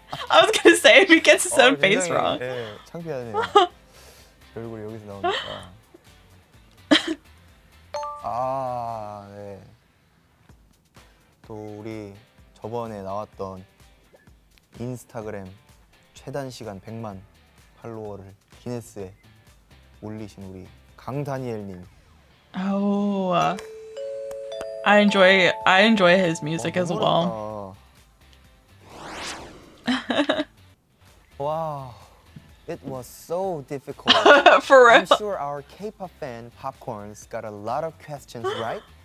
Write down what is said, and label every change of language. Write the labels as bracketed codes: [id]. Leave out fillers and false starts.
[en] I was gonna say, if he gets his own face wrong. [ko] 네, 창피하네요. 제 얼굴이 여기서 나오니까. 아, 네. 또 우리 저번에 나왔던 인스타그램 최단 시간 100만 팔로워를 기네스에 올리신 우리 강다니엘님. Oh. [en] I enjoy his music as well. Wow. It was so difficult. For real. I'm sure our K-pop fan Popcorns got a lot of questions, right?